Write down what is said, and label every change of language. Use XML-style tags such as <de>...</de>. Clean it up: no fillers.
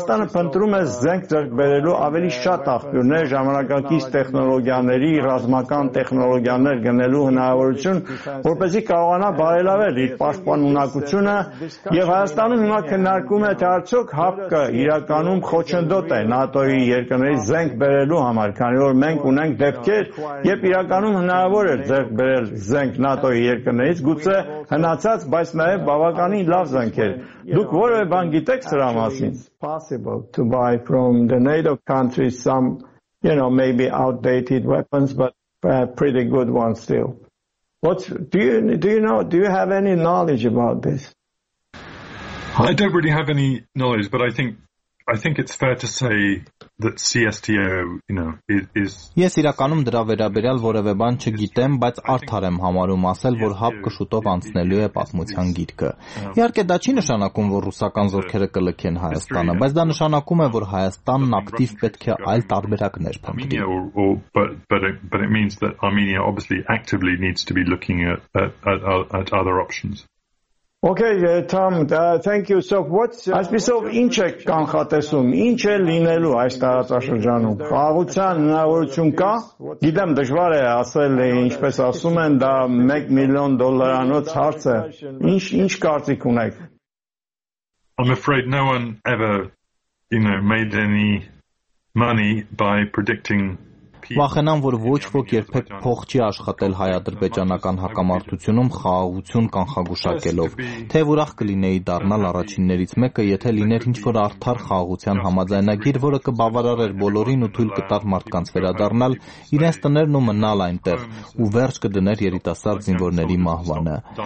<hy>բայց Հայաստանը փնտրում է զենք ձեռք բերելու ավելի շատ աղբյուրներ, ժամանակակից տեխնոլոգիաների, ռազմական տեխնոլոգիաներ գնելու հնարավորություն, որպեսզի կարողանա բարելավել իր պաշտպանունակությունը, և Հայաստանում հիմա քննարկում է, թե արդյոք ՀԱՊԿ-ը իրականում խոչընդոտ է ՆԱՏՕ-ի երկրների զենք բերելու համար, քանի որ մենք ունենք պետքեր եւ իրականում հնարավոր էր ձեր բերել զենք ՆԱՏՕ-ի երկրներից, գուցե հնացած, բայց նաեւ բավականին լավ զենքեր։ Դուք որևէ բան գիտեք սրա մասին?</hy> <en>Possible to buy from the NATO countries some, you know, maybe outdated weapons, but pretty good ones still. Do you have any knowledge about this? I don't really have any knowledge, but I think it's fair to say that CSTO, you know, is</en> <hy>Yes, իրականում դրա վերաբերյալ որևէ բան չգիտեմ, բայց արդար եմ համարում ասել, որ հապկը շուտով անցնելու է պատմության գիրկը։ Իհարկե դա չի նշանակում, որ ռուսական զորքերը կլքեն Հայաստանը, բայց դա նշանակում է, որ Հայաստանն ակտիվ պետք է այլ տարբերակներ փնտրի։</hy> <en>But it means that Armenia obviously actively needs to be looking at other options. Okay, Tom, thank you.</en> <hy>So այսպիսով ինչ է կանխատեսում, ինչ է լինելու այս տարածաշրջանում։ Խաղաղության հնարավորություն կա։ Գիտեմ դժվար է ասել, ինչպես ասում են, դա 1 միլիոն դոլարանոց հարց է։ Ինչ կարծիք ունեք։</hy> <en>I'm afraid no one ever, you know, made any money by predicting</en> <hy>Վախենամ, որ ոչ ոք երբեք փող չի աշխատել հայ-ադրբեջանական հակամարտությունում խաղաղություն կանխագուշակելով, թե ուրախ կլինեի դառնալ առաջիններից մեկը, եթե լիներ ինչ-որ արդար խաղաղության համաձայնագիր, որը կբավարարեր բոլորին ու թույլ կտար մարդկանց վերադառնալ իրենց տներն ու մնալ այնտեղ, ու վերջ կդներ երիտասարդ զինվորների մահվանը։</hy>